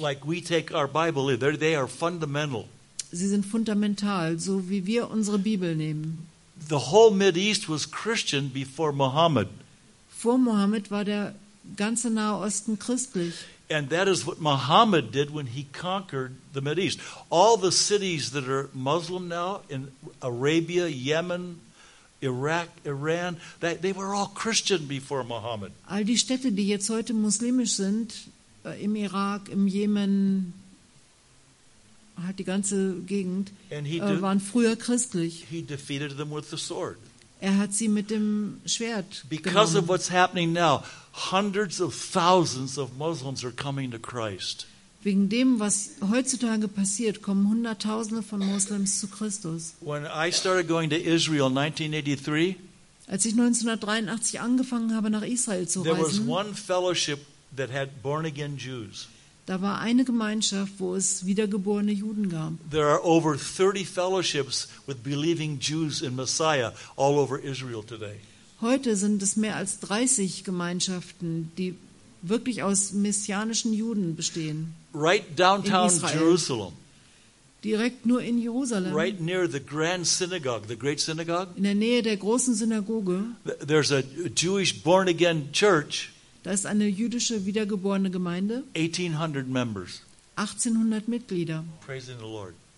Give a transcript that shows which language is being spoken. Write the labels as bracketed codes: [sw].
[en] Like we take our Bible, they are fundamental. [de] Sie sind fundamental, so wie wir unsere Bibel nehmen. [en] The whole Middle East was Christian before Muhammad. [de] Vor Muhammad war der ganze Nahe Osten christlich. [en] And that is what Muhammad did when he conquered the Middle East. All the cities that are Muslim now in Arabia, Yemen, Iraq, Iran, they were all Christian before Muhammad. [de] All die Städte, die jetzt heute muslimisch sind, im Irak, im Jemen, halt die ganze Gegend, waren früher christlich. [en] He defeated them with the sword. [de] Er hat sie mit dem Schwert genommen. [en] Because of what's happening now, hundreds of thousands of Muslims are coming to Christ. [de] Wegen dem, was heutzutage passiert, kommen Hunderttausende von Moslems zu Christus. [en] When I started going to Israel in 1983, [de] als ich 1983 angefangen habe, nach Israel zu reisen, [en] there was one fellowship that had born again Jews. [de] Da war eine Gemeinschaft, wo es wiedergeborene Juden gab. [en] There are over 30 fellowships with believing Jews in Messiah all over Israel today. [de] Heute sind es mehr als 30 Gemeinschaften, die wirklich aus messianischen Juden bestehen. [en] Right downtown Jerusalem. [de] Direkt nur in Jerusalem. [en] Right near the Grand Synagogue, the Great Synagogue. [de] In der Nähe der großen Synagoge. [en] There's a Jewish born again church. [de] Da ist eine jüdische wiedergeborene Gemeinde. [en] 1800 members. [de] 1800 Mitglieder. [en] Praising the Lord.